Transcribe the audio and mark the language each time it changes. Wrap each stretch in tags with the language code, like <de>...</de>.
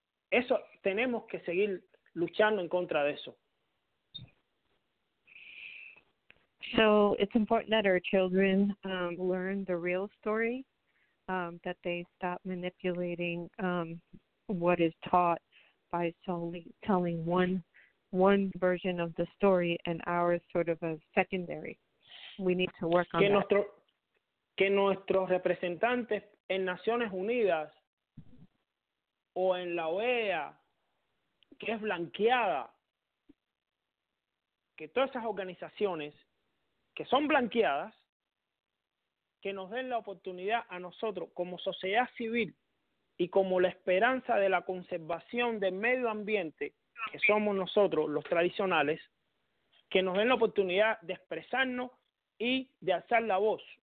<es>Eso tenemos que seguir luchando en contra de eso.</es> <en>So it's important that our children learn the real story, that they stop manipulating what is taught by solely telling one version of the story and ours sort of a secondary. We need to work on</en> <es>que nuestros representantes en Naciones Unidas o en la OEA, que es blanqueada, que todas esas organizaciones que son blanqueadas, que nos den la oportunidad a nosotros como sociedad civil y como la esperanza de la conservación del medio ambiente, que somos nosotros los tradicionales, que nos den la oportunidad de expresarnos y de alzar la voz.</es>